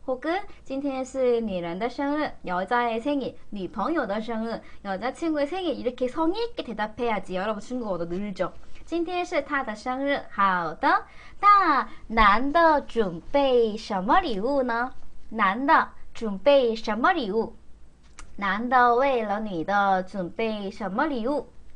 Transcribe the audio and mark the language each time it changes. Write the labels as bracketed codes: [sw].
[ko] 혹은 [zh] 今天是女人的生日. [ko] 여자의 생일. [zh] 女朋友的生日. [ko] 여자친구의 생일. 이렇게 성의 있게 대답해야지 여러분 중국어도 늘죠. [zh] 今天是她的生日.好的. 那男的准备什么礼物呢? 男的准备什么礼物?男的为了女的准备什么礼物?